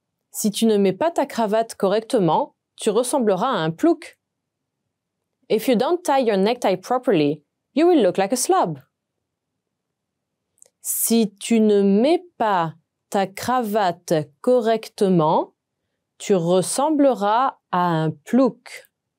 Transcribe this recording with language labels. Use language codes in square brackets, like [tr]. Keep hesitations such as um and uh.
[fr] Si tu ne mets pas ta cravate correctement, tu ressembleras à un plouc. [en] If you don't tie your necktie properly, you will look like a slob. [fr] Si tu ne mets pas ta cravate correctement, tu ressembleras à un plouc.